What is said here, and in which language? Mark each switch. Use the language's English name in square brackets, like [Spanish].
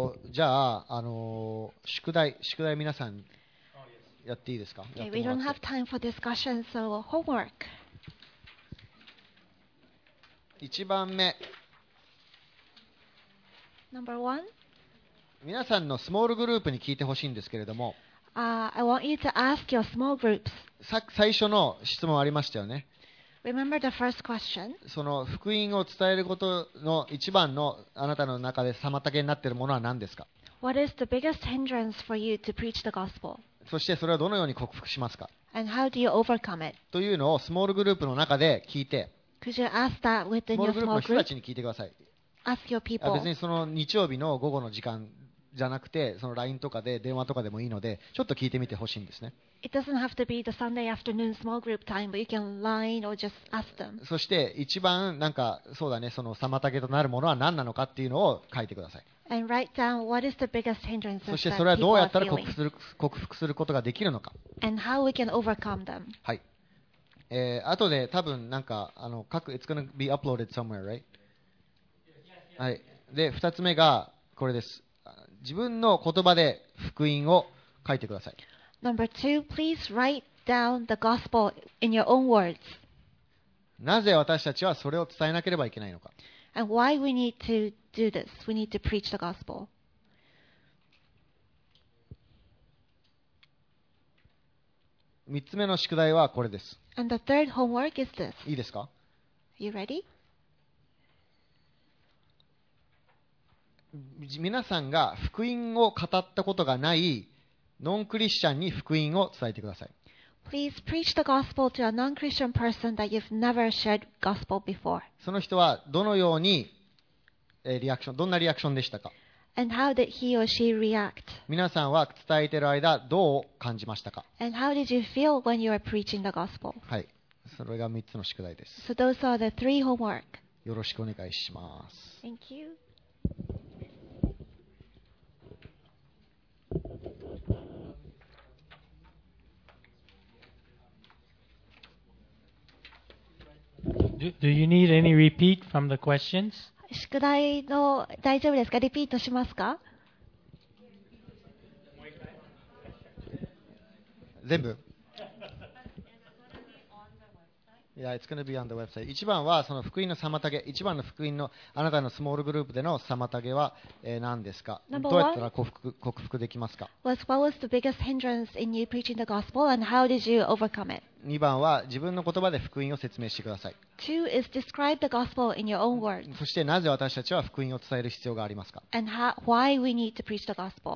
[Japanese] じゃあ宿題皆さんやっていいですか。 [English] Okay, we don't have time for discussion, so homework. [Japanese] 一番目。 [English] Number one. [Japanese] 皆さんのスモールグループに聞いてほしいんですけれども、 [English] I want you to ask your small groups. [Japanese] 最初の質問ありましたよね。 [English] Remember the first question. [Japanese] その福音を伝えることの一番のあなたの中で妨げになっているものは何ですか。 [English] What is the biggest hindrance for you to preach the gospel? [Japanese] そしてそれはどのように克服しますか。 [English] And how do you overcome it? [Japanese] というのをスモールグループの中で聞いて、 [English] Could you ask that within your small group? [Japanese] スモールグループの人たちに聞いてください。 [English] Ask your people. [Japanese] 別にその日曜日の午後の時間じゃなくて、その LINE とかで電話とかでもいいので、ちょっと聞いてみてほしいんですね。 [English] It doesn't have to be the Sunday afternoon small group time, but you can LINE or just ask them. [Japanese] そして一番なんかそうだね、その妨げとなるものは何なのかっていうのを書いてください。 [English] And write down what is the biggest hindrances. [Japanese] そしてそれはどうやったら克服することができるのか。 [English] And how we can overcome them. [Japanese] はい。あとで多分なんか各 [English] It's gonna be uploaded somewhere, right? [Japanese] はい、で2つ目がこれです。自分の言葉で福音を書いてください。 [English] Number two, please write down the gospel in your own words. [Japanese] なぜ私たちはそれを伝えなければいけないのか。 [English] And why we need to do this? We need to preach the gospel. Number three, please write down the gospel in your own words. And the third homework is this. [Japanese] いいですか? [English] Are you ready? [Japanese] 皆さんが福音を語ったことがないノンクリスチャンに福音を伝えてください。 [English] Please preach the gospel to a non-Christian person that you've never shared gospel before. [Japanese] その人はどのようにリアクション、どんなリアクションでしたか? [English] And how did he or she react? [Japanese] 皆さんは伝えている間どう感じましたか? [English] And how did you feel when you were preaching the gospel? [Japanese] はい、それが3つの宿題です。 [English] So those are the three homework. [Japanese] よろしくお願いします。 [English] Thank you. Do you need any repeat from the questions? [Japanese] 宿題の大丈夫ですか? リピートしますか? 全部? [English] Yeah, it's going to be on the website. [Japanese] 一番はその福音の妨げ、一番の福音のあなたのスモールグループでの妨げは何ですか? どうやったら克服できますか? [English] What was the biggest hindrance in you preaching the gospel and how did you overcome it? [Japanese] 2番は自分の言葉で福音を説明してください。 [English] Two is describe the gospel in your own words. [Japanese] そしてなぜ私たちは福音を伝える必要がありますか。 [English] And why we need to preach the gospel.